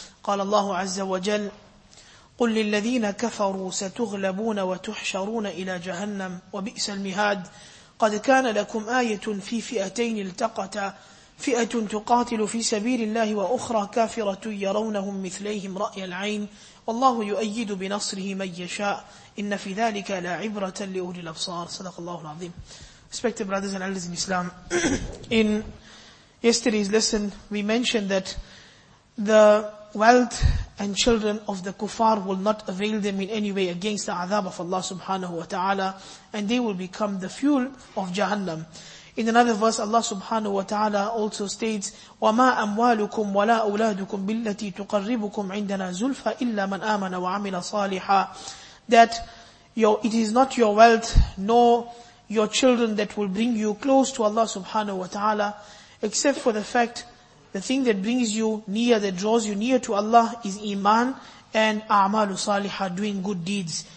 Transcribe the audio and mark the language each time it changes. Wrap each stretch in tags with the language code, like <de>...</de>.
<ar>قال الله عز وجل: قل للذين كفروا ستغلبون وتحشرون إلى جهنم وبئس المهاد. قد كان لكم آية في فئتين التقتا، فئة تقاتل في سبيل الله وأخرى كافرة يرونهم مثليهم رأي العين، والله يؤيد بنصره من يشاء، إن في ذلك لا عبرة لأولي الأبصار. صدق الله العظيم.</ar> <en>Respected brothers and elders in Islam, in yesterday's lesson we mentioned that the wealth and children of the kuffar will not avail them in any way against the azab of Allah subhanahu wa ta'ala, and they will become the fuel of Jahannam. In another verse, Allah subhanahu wa ta'ala also states,</en> <ar>وَمَا أَمْوَالُكُمْ وَلَا أُولَادُكُمْ بِالَّتِي تُقَرِّبُكُمْ عِنْدَنَا زُلْفَ إِلَّا مَنْ آمَنَ وَعَمِلَ صَالِحًا.</ar> <en>That it is not your wealth nor your children that will bring you close to Allah subhanahu wa ta'ala, except for the fact, the thing that brings you near, that draws you near to Allah, is iman and a'malu saliha, doing good deeds.</en>